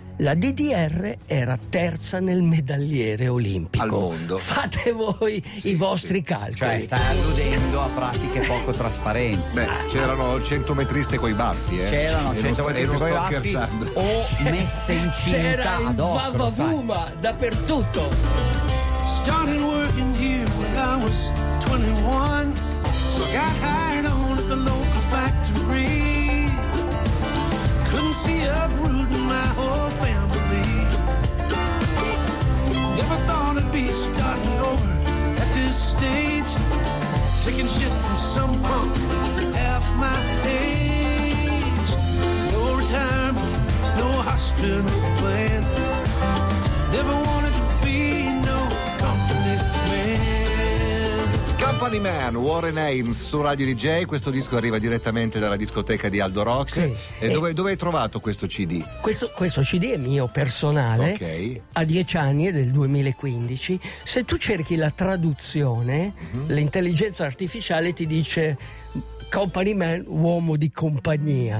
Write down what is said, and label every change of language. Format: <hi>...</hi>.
<it>La DDR era terza nel medagliere olimpico. Al mondo. Fate voi i vostri calcoli. Cioè, stai alludendo a pratiche poco trasparenti. Beh, c'erano centometriste coi baffi, eh. C'erano centometriste coi baffi. Scherzando. O messe in cinta. C'era ad il vavavuma dappertutto.</it> <en>Started working here when I was 21. Got hired on at the local factory. Couldn't see uprooting my whole family. Never thought I'd be starting over at this stage. Taking shit from some punk half my age. No retirement, no hospital plan. Never wanted to be no company man.</en> <it>Company Man, Warren Haynes su Radio DJ. Questo disco arriva direttamente dalla discoteca di Aldo Rock. Sì. E dove hai trovato questo CD? Questo CD è mio personale. Ok. A 10 anni, è del 2015. Se tu cerchi la traduzione, mm-hmm, l'intelligenza artificiale ti dice Company Man, uomo di compagnia.</it>